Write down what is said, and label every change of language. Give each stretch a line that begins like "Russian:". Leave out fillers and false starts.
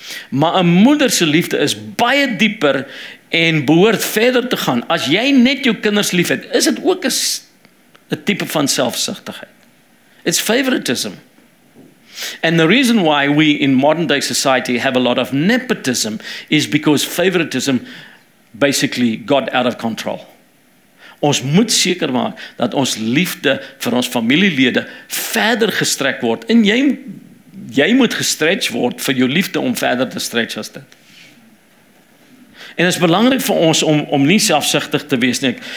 Afrikaans: Maar 'n moeder se liefde is baie dieper en behoort verder te gaan. As jy net jou kinders lief het, is dit ook 'n tipe van selfsugtigheid.
English: It's favoritism. And the reason why we in modern day society have a lot of nepotism is because favoritism basically got out of control.
Afrikaans: Ons moet seker maak dat ons liefde vir ons familielede verder gestrek word. En jy moet gestretch word vir jou liefde om verder te stretch as dit. En dit is belangrik vir ons om nie selfsugtig te wees nie.